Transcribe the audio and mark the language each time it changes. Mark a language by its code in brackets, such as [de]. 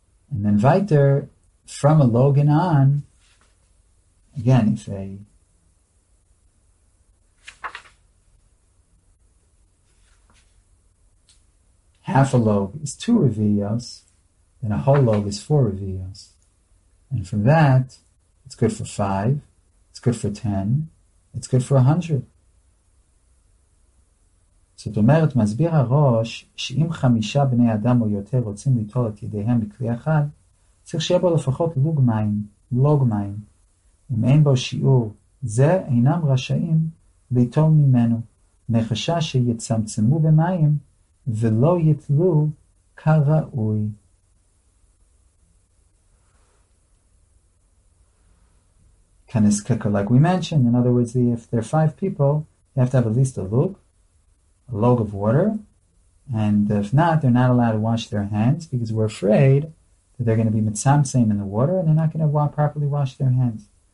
[en] And then weiter, from a log and on, again, half a log is two revios, then a whole log is four revios. And from that, it's good for 5, it's good for 10, it's good for 100. [he] זאת אומרת, מסביר הראש שאם 5 בני אדם או יותר רוצים ליטול את ידיהם בכלי אחד, צריך שיהיה בו לפחות לוג מים, לוג מים. אם אין בו שיעור זה, אינם רשאים ליטול ממנו, מחשש שיצמצמו במים ולא יטלו כראוי. [en] Can this kicker, like we mentioned, in other words, if there are 5 people, you have to have at least a log of water, and if not, they're not allowed to wash their hands because we're afraid that they're going to be mitzamtzim in the water and they're not going to properly wash their hands.